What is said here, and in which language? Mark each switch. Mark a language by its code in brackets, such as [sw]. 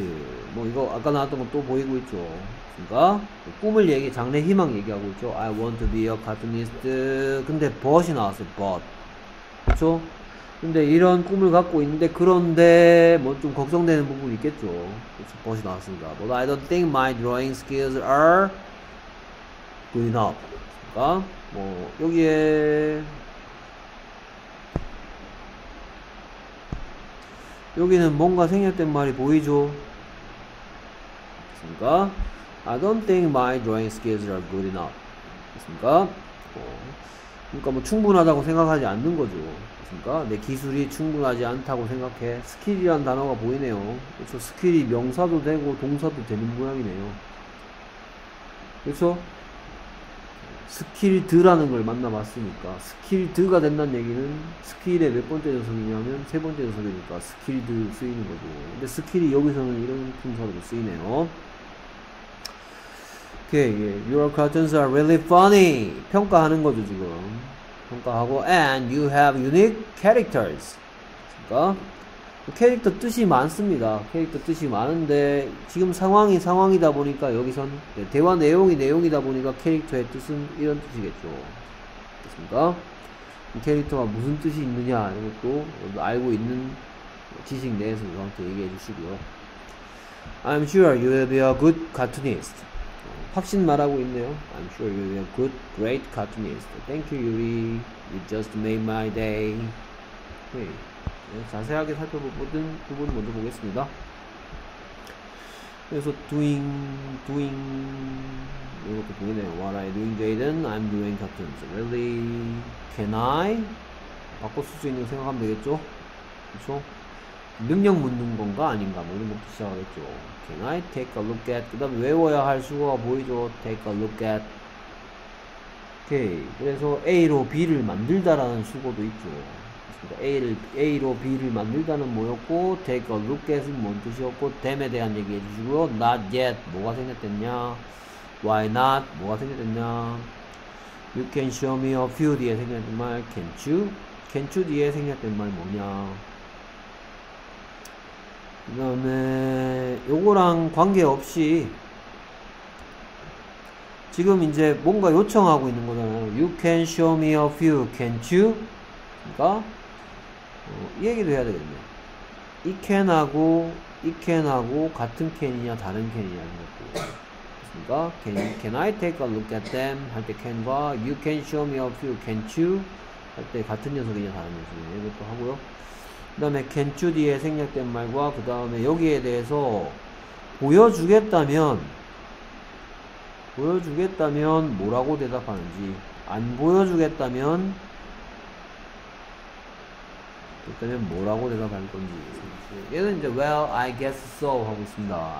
[ko] 뭐 이거 아까 나왔던 거 또 보이고 있죠. 그러니까 꿈을 얘기, 장래 희망 얘기하고 있죠. [en] I want to be a cartoonist. [ko] 근데 but이 나왔어요. [en] But. [ko] 그쵸? 근데 이런 꿈을 갖고 있는데 그런데 뭐 좀 걱정되는 부분이 있겠죠. 그쵸? 벗이 나왔습니다. [en] But I don't think my drawing skills are good enough. [ko] 그니까 뭐 여기에 여기는 뭔가 생략된 말이 보이죠? 그니까 [en] I don't think my drawing skills are good enough. [ko] 그니까 뭐 그니까 뭐 충분하다고 생각하지 않는 거죠. 그니까 내 기술이 충분하지 않다고 생각해. 스킬이란 단어가 보이네요. 그렇죠. 스킬이 명사도 되고 동사도 되는 모양이네요. 그렇죠. 스킬드라는 걸 만나봤으니까 스킬드가 된다는 얘기는 스킬의 몇 번째 녀석이냐면 세 번째 녀석이니까 스킬드 쓰이는 거죠. 근데 스킬이 여기서는 이런 품사로 쓰이네요. [en] 오케이. Okay, yeah. Your cartoons are really funny. [ko] 평가하는 거죠, 지금. 평가하고 [en] and you have unique characters. [ko] 그러니까 캐릭터 뜻이 많습니다. 캐릭터 뜻이 많은데, 지금 상황이 상황이다 보니까, 여기선, 대화 내용이 내용이다 보니까, 캐릭터의 뜻은 이런 뜻이겠죠. 됐습니까? 캐릭터가 무슨 뜻이 있느냐, 이것도 알고 있는 지식 내에서 저한테 얘기해 주시고요. [en] I'm sure you will be a good cartoonist. [ko] 확신 말하고 있네요. [en] I'm sure you will be a good, great cartoonist. Thank you, Yuri. You just made my day. 네. [ko] 자세하게 살펴보든 부분 먼저 보겠습니다. 그래서 이렇게 보이네요. [en] What are you doing, Jaden? I'm doing cartoons. Really? Can I? [ko] 바꿔 쓸수 있는 거 생각하면 되겠죠? 그렇죠? 능력 묻는 건가 아닌가 뭐 이런 것부터 시작하겠죠. [en] Can I take a look at? [ko] 그다음 외워야 할 수가 보이죠. [en] Take a look at. 오케이. [ko] 그래서 A로 B를 만들다라는 수거도 있죠. A로 B를 만들다는 뭐였고, take a look at은 뭔 뜻이었고, them에 대한 얘기해 주시고요. [en] Not yet. [ko] 뭐가 생겼댔냐? [en] Why not? [ko] 뭐가 생겼댔냐? [en] You can show me a few [ko] 뒤에 생겼던 말. [en] Can't you? Can't you [ko] 뒤에 생겼던 말 뭐냐? 그다음에 요거랑 관계없이 지금 이제 뭔가 요청하고 있는 거잖아요. [en] You can show me a few, can't you? [ko] 그러니까 이 얘기도 해야 되겠네. 이 캔하고 이 캔하고 같은 캔이냐 다른 캔이냐 이런 것도 있습니다. [en] Can I take a look at them? [ko] 할때 캔과 [en] You can show me a few, can't you? [ko] 할때 같은 녀석이냐 다른 녀석이냐 이것도 하고요. 그 다음에 can't you 뒤에 생략된 말과 그 다음에 여기에 대해서 보여주겠다면 뭐라고 대답하는지 안 보여주겠다면 뭐라고 대답할 건지 얘는 이제 [en] well I guess so [ko] 하고 있습니다.